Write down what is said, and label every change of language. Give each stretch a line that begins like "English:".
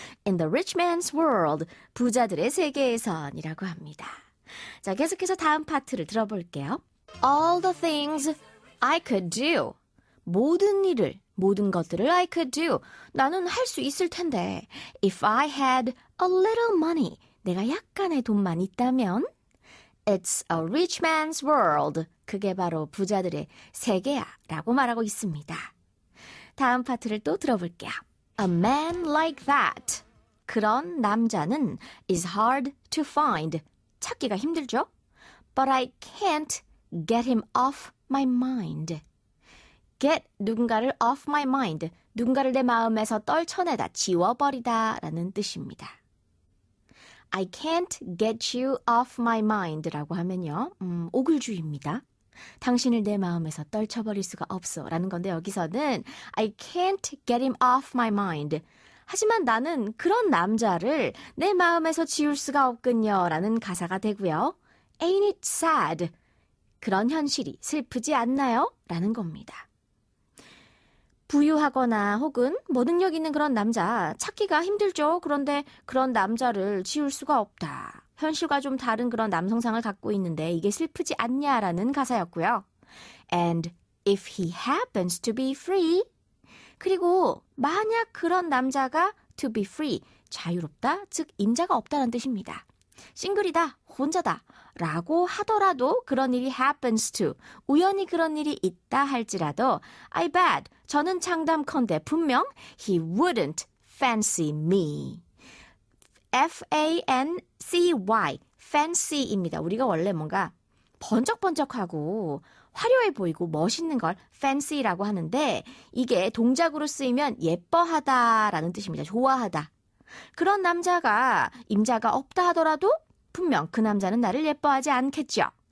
English: In the rich man's world,
Korean: 부자들의 세계에선이라고 합니다. 자, 계속해서 다음 파트를 들어볼게요.
English: All the things I could do.
Korean: 모든 일을, 모든 것들을
English: I could do.
Korean: 나는 할 수 있을 텐데.
English: If I had a little money.
Korean: 내가 약간의 돈만 있다면.
English: It's a rich man's world.
Korean: 그게 바로 부자들의 세계야. 라고 말하고 있습니다. 다음 파트를 또 들어볼게요.
English: A man like that.
Korean: 그런 남자는
English: is hard to find.
Korean: 찾기가 힘들죠?
English: But I can't get him off my mind. Get 누군가를 off my mind.
Korean: 누군가를 내 마음에서 떨쳐내다, 지워버리다 라는 뜻입니다.
English: I can't get you off my mind
Korean: 라고 하면요. 오글주의입니다. 당신을 내 마음에서 떨쳐버릴 수가 없어 라는 건데 여기서는
English: I can't get him off my mind.
Korean: 하지만 나는 그런 남자를 내 마음에서 지울 수가 없군요 라는 가사가 되고요.
English: Ain't it sad?
Korean: 그런 현실이 슬프지 않나요? 라는 겁니다. 부유하거나 혹은 뭐 능력 있는 그런 남자 찾기가 힘들죠. 그런데 그런 남자를 지울 수가 없다. 현실과 좀 다른 그런 남성상을 갖고 있는데 이게 슬프지 않냐라는 가사였고요.
English: And if he happens to be free.
Korean: 그리고 만약 그런 남자가
English: to be free,
Korean: 자유롭다, 즉 임자가 없다는 뜻입니다. 싱글이다, 혼자다 라고 하더라도 그런 일이 happens to, 우연히 그런 일이 있다 할지라도 I bet, 저는 장담컨대 분명
English: he wouldn't fancy me. F-A-N-C-Y, fancy입니다.
Korean: 우리가 원래 뭔가 번쩍번쩍하고 화려해 보이고 멋있는 걸 fancy라고 하는데 이게 동작으로 쓰이면 예뻐하다 라는 뜻입니다. 좋아하다. 그런 남자가 임자가 없다 하더라도 분명 그 남자는 나를 예뻐하지 않겠죠.